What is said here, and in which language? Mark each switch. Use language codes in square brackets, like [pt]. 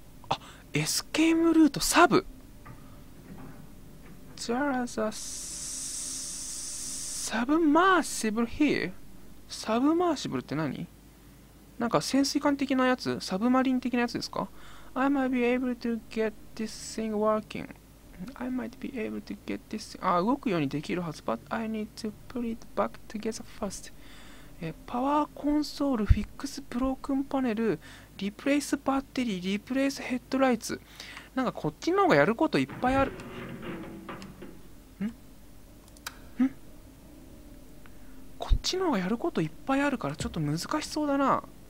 [ja] あ、エスケープルートサブ。 [en] There is a submersible here. [ja] Submersible って何？なんか潜水艦的なやつ？サブマリン的なやつですか？ [en] I might be able to get this thing working. I might be able to get this thing. [ja] あ、動くようにできるはず。 [en] But I need to put it back together first. [ja] パワーコンソール、フィックスブロークンパネル、リプレイスバッテリー、リプレイスヘッドライツ。なんかこっちの方がやることいっぱいある。こっちの方がやることいっぱいあるからちょっと難しそうだな。